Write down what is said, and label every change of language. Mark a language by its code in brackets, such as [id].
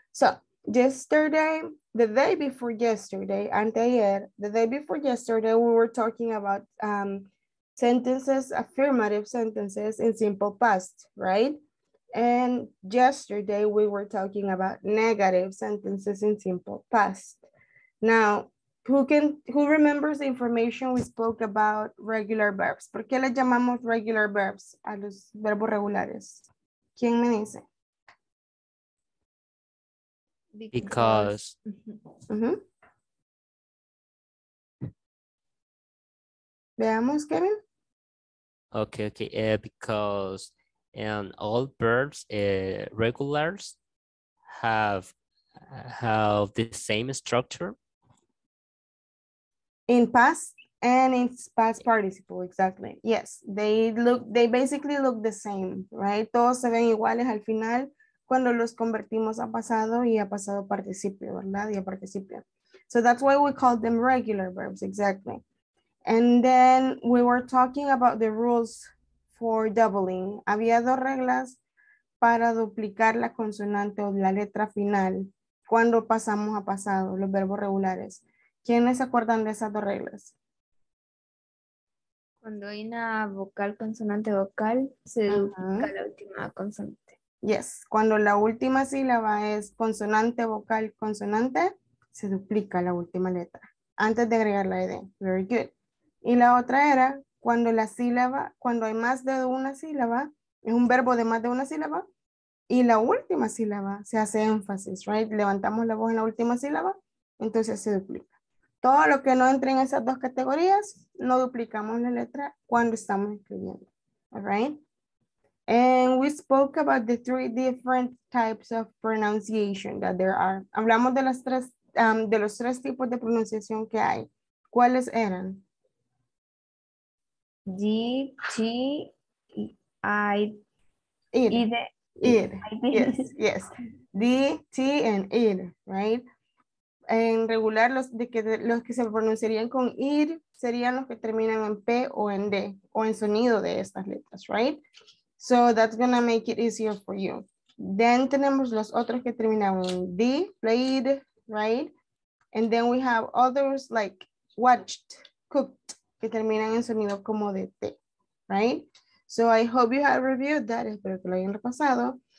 [en] So, yesterday, the day before yesterday, [es] anteayer, [en] the day before yesterday, we were talking about sentences, affirmative sentences in simple past, right? And yesterday, we were talking about negative sentences in simple past. Now, who remembers the information we spoke about regular verbs? [es] ¿Por qué le llamamos [en] regular verbs [es] a los verbos regulares? ¿Quién me dice? [en] Because. [es] Mm-hmm. Veamos, Kevin. [en] Okay, okay. Because and all verbs, regulars have the same structure. In past and in past participle, exactly. Yes, they basically look the same, right? [es] Todos se ven iguales al final cuando los convertimos a pasado y a pasado participio, ¿verdad? Y a participio. [en] So that's why we call them regular verbs, exactly. And then we were talking about the rules for doubling. [es] Había dos reglas para duplicar la consonante o la letra final cuando pasamos a pasado, los verbos regulares. ¿Quiénes se acuerdan de esas dos reglas? Cuando hay una vocal, consonante, vocal, se duplica la última consonante. [en] Yes, [es] cuando la última sílaba es consonante, vocal, consonante, se duplica la última letra. Antes de agregar la ED. [en] Very good. [es] Y la otra era cuando la sílaba, cuando hay más de una sílaba, es un verbo de más de una sílaba, y la última sílaba se hace énfasis, [en] right? [es] Levantamos la voz en la última sílaba, entonces se duplica. Todo lo que no entre en esas dos categorías, no duplicamos la letra cuando estamos escribiendo. [en] All right? And we spoke about the three different types of pronunciation that there are. [es] Hablamos de las tres, de los tres tipos de pronunciación que hay. ¿Cuáles eran? [en] D, T, I, ir. Yes, yes. D, T, and ir, right? [es] En regular, los que se pronunciarían con ir serían los que terminan en P o en D, o en sonido de estas letras, [en] right? So that's going to make it easier for you. Then [es] tenemos los otros que terminan en D, [en] played, right? And then we have others like watched, cooked, [es] que terminan en sonido como de T, [en] right? So I hope you have reviewed that. [es] Espero que lo hayan repasado.